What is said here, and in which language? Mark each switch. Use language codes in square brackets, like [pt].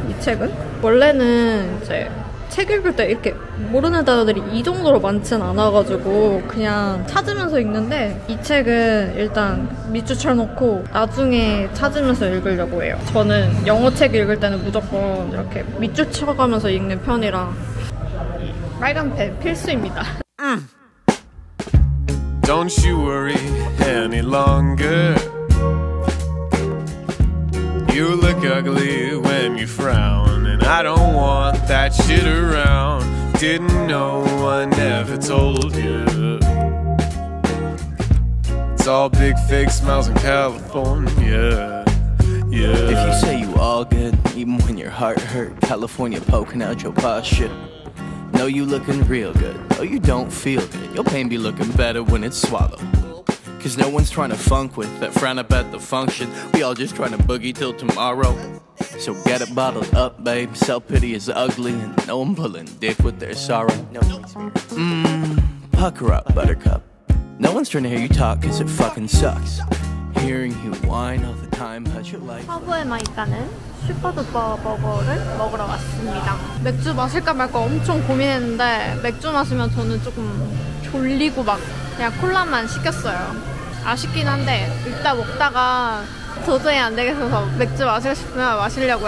[ko] 이 책은 원래는 이제 책 읽을 때 이렇게 모르는 단어들이 이 정도로 많진 않아가지고 그냥 찾으면서 읽는데 이 책은 일단 밑줄 쳐놓고 나중에 찾으면서 읽으려고 해요. 저는 영어 책 읽을 때는 무조건 이렇게 밑줄 쳐가면서 읽는 편이라 빨간 펜 필수입니다. [en] Don't you worry any longer. You look ugly when you frown. I don't want that shit around. Didn't know I never told you. It's all big fake smiles in California. Yeah. If you say you all good, even when your heart hurt, California poking out your posture. No, you looking real good. No, you don't feel good. Your pain be looking better when it's swallowed. Cause no one's trying to funk with that frown up at the function. We all just trying to boogie till tomorrow. So get it bottled up, babe. Self-pity is ugly and no one pulling dick with their sorrow. Pucker up, buttercup. No one's trying to hear you talk cause it fucking sucks. Hearing you whine all the time, how's your life? [ko] 화보에 마이카는 슈퍼두퍼 버거를 먹으러 왔습니다. 맥주 마실까 말까 엄청 고민했는데 맥주 마시면 저는 조금 졸리고 막 그냥 콜라만 시켰어요. 아쉽긴 한데 이따 먹다가 도저히 안 되겠어서 맥주 마시고 싶으면 마시려고요.